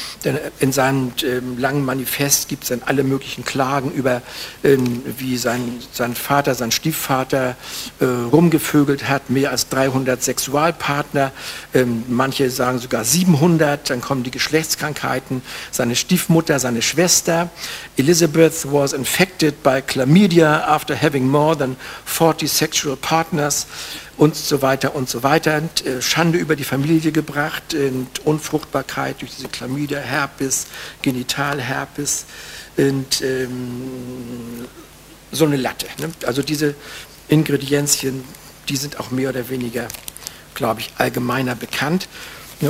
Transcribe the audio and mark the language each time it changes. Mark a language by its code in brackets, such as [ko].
[de] Denn in seinem langen Manifest gibt es dann alle möglichen Klagen über, wie sein Vater, sein Stiefvater rumgevögelt hat, mehr als 300 Sexualpartner, manche sagen sogar 700, dann kommen die Geschlechtskrankheiten, seine Stiefmutter, seine Schwester. [en] Elizabeth was infected by chlamydia after having more than 40 sexual partners. [de] Und so weiter und so weiter. Und, Schande über die Familie gebracht, und Unfruchtbarkeit durch diese Chlamydia, Herpes, Genitalherpes und so eine Latte. Ne? Also diese Ingredienzien, die sind auch mehr oder weniger, glaube ich, allgemeiner bekannt. Ne?